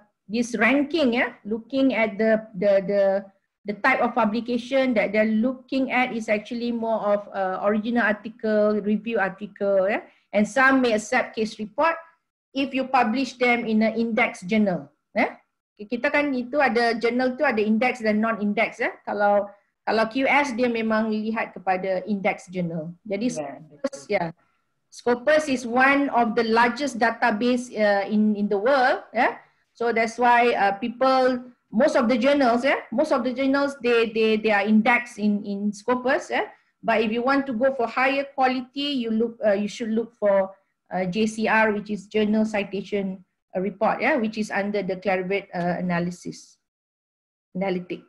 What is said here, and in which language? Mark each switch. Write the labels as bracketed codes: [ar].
[en] this ranking, yeah, looking at the type of publication that they're looking at is actually more of original article, review article, yeah, and some may accept case report if you publish them in an index journal, yeah. [ms] Kita kan itu ada journal tu ada index dan non-index, ya. Kalau QS dia memang lihat kepada index journal. Jadi Scopus, yeah. [en] Scopus is one of the largest database in the world, yeah. So that's why people, most of the journals, yeah, most of the journals they are indexed in Scopus, yeah. But if you want to go for higher quality, you should look for JCR, which is Journal Citation a report, yeah, which is under the Clarivate analytic.